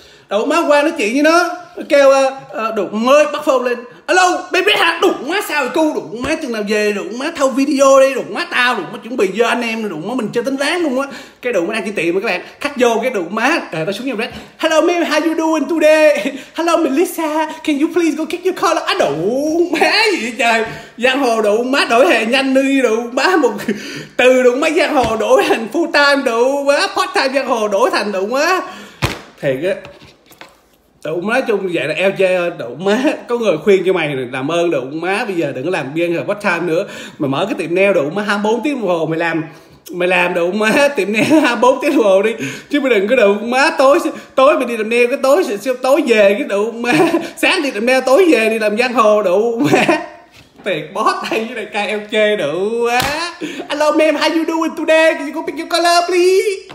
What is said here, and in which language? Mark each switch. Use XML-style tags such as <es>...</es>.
<vi>Đủ má qua nói chuyện với nó, kêu đủ mới bắt phone lên. Alo, baby hả? Đủ má sao rồi cu? Đủ má chừng nào về, đủ má thâu video đi. Đủ má tao, đủ má chuẩn bị do anh em, đủ má mình chơi tính láng luôn á. Cái đủ má đang chơi tiệm các bạn. Khách vô cái đủ má, tao xuống nhau rách.</vi> <en>Hello ma'am, how you doing today? Hello Melissa, can you please go kick your car?</en> <vi>Á đủ má gì vậy trời. Giang hồ đủ má đổi hề nhanh đi. Đủ má một từ đủ má giang hồ đổi thành full time. Đủ má part time giang hồ đổi thành đủ má. Thiệt á. Đủ má chung vậy là LJ ơi, đủ má có người khuyên cho mày làm ơn đủ má, bây giờ đừng có làm biên hợp part time nữa. Mày mở cái tiệm nail đủ má 24 tiếng đồng hồ, mày làm đủ má tiệm nail 24 tiếng đồng hồ đi. Chứ mày đừng có đủ má tối mày đi làm nail cái tối về cái đủ má, sáng đi làm nail tối về đi làm giang hồ đủ má. Tiệt bó tay với đại ca LJ đủ má.</vi> <en>Alo ma'am, how you doing today? Can you go pick your color please?</en>